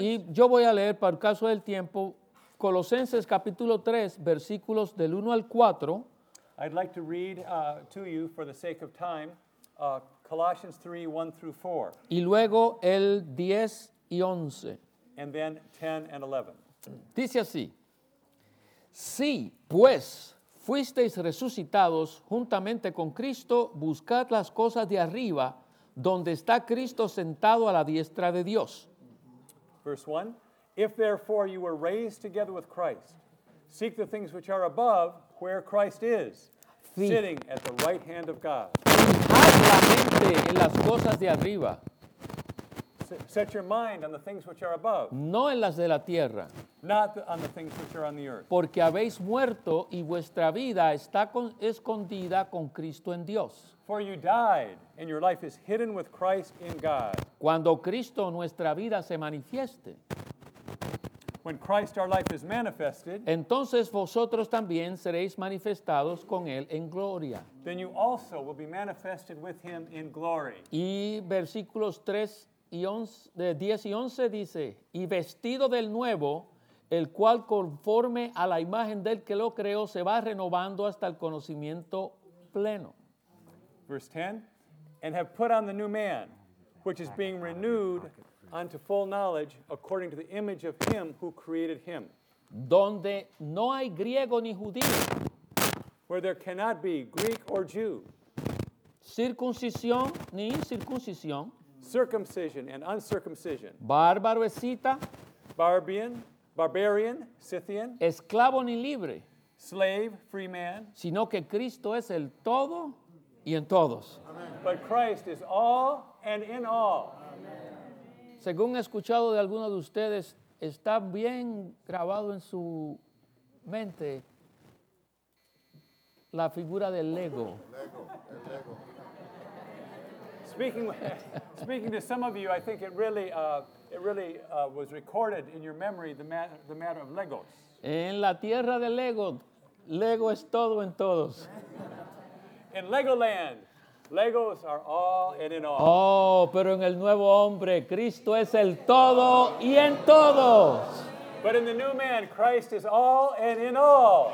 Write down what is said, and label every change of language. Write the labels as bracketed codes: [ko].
[es] Y yo voy a leer, por caso del tiempo, Colosenses capítulo 3, versículos del 1 al 4. [en] I'd like to read to you, for the sake of time, Colossians 3, 1 through 4. [es] Y luego el 10 y 11. [en] And then 10 and 11. [es] Dice así. Sí, pues, fuisteis resucitados juntamente con Cristo, buscad las cosas de arriba, donde está Cristo sentado a la diestra de Dios. [en] Verse 1. If therefore you were raised together with Christ, seek the things which are above, where Christ is, sitting at the right hand of God. [es] Fijad la mente en las cosas de arriba. [en] set your mind on the things which are above. [es] No en las de la tierra. [en] Not on the things which are on the earth. [es] Porque habéis muerto y vuestra vida está escondida con Cristo en Dios. [en] For you died and your life is hidden with Christ in God. [es] Cuando Cristo nuestra vida se manifieste. [en] When Christ our life is manifested, [es] entonces vosotros también seréis manifestados con él en gloria. [en] Then you also will be manifested with him in glory. [es] Y versículos 3 y 11, de 10 y 11 dice, y vestido del nuevo, el cual conforme a la imagen del que lo creó se va renovando hasta el conocimiento pleno. [en] Verse 10, and have put on the new man, which is being renewed unto full knowledge according to the image of him who created him. [es] Donde no hay griego ni judío. [en] Where there cannot be Greek or Jew. [es] Circuncisión ni incircuncisión. [en] Circumcision and uncircumcision. [es] Bárbaro, escita. [en] Barbarian, Scythian. [es] Esclavo ni libre. [en] Slave, free man. [es] Sino que Cristo es el todo y en todos. [en] Amen. But Christ is all and in all. [es] Según he escuchado de alguno de ustedes, está bien grabado en su mente la figura del Lego. [en] Speaking to some of you, I think it really was recorded in your memory the matter of Legos. [es] En la tierra de Lego, Lego es todo en todos. [en] In Legoland. Legos are all and in all. [es] Oh, pero en el nuevo hombre, Cristo es el todo y en todos. [en] But in the new man, Christ is all and in all.